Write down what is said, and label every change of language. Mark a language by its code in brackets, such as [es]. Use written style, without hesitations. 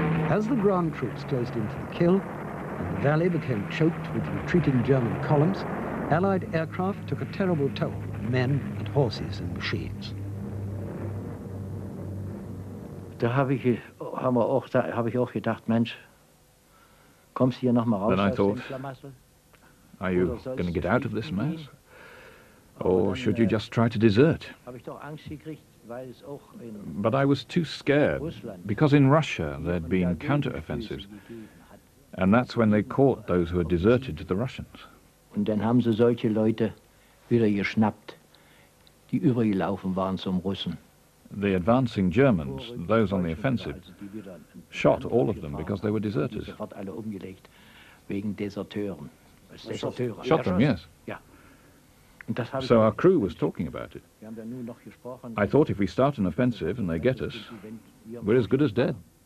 [en] As the ground troops closed into the kill and the valley became choked with retreating German columns, Allied aircraft took a terrible toll on men and horses and machines. [de] Da habe ich auch gedacht, Mensch, kommst hier noch mal raus? [en] Then I thought, are you going to get out of this mess? Or should you just try to desert? But I was too scared, because in Russia there'd been counter-offensives, and that's when they caught those who had deserted to the Russians. [de] Und dann haben sie solche Leute wieder geschnappt, die übergelaufen waren zum Russen. [en] The advancing Germans, those on the offensive, shot all of them because they were deserters. Shot them, yes. So our crew was talking about it. I thought if we start an offensive and they get us, we're as good as dead.